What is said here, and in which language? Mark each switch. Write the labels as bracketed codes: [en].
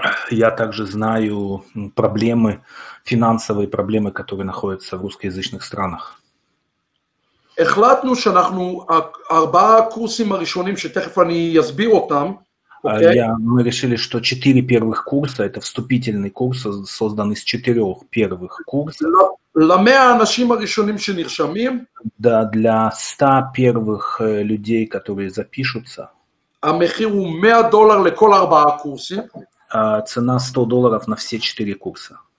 [ru] Я также знаю проблемы, финансовые проблемы, которые находятся в русскоязычных странах. [he] החלטנו שאנחנו ארבעה קורסים הראשונים שתכף אני אסביר אותם. [ru] Мы решили, что четыре первых курса, это вступительный курс, создан из четырех первых курсов. Да, для 100 первых людей, которые запишутся. Цена $100 на все четыре курса.